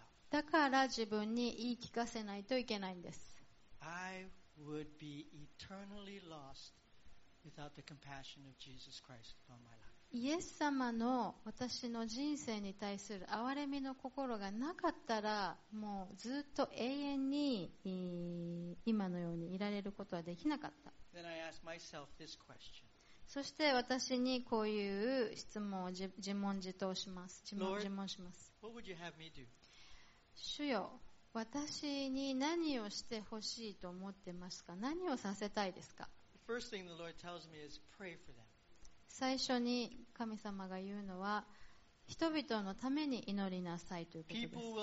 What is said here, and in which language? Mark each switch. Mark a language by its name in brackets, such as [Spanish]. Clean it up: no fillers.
[Japanese] だから自分に言い聞かせないといけないんです。 [English] I would be eternally lost without the compassion of Jesus Christ upon my life. [Japanese] イエス様の私の人生に対する憐れみの心がなかったら、もうずっと永遠に今のようにいられることはできなかった。 [English] Then I ask myself this question. [Japanese] そして私にこういう質問を自問自答します。自問します。 [English] Lord, what would you have me do? [Japanese] 主よ、私に何をしてほしいと思ってますか？何をさせたいですか？ [English] The first thing the Lord tells me is pray for them. [Japanese] 最初に神様が言うのは、人々のために祈りなさいということです。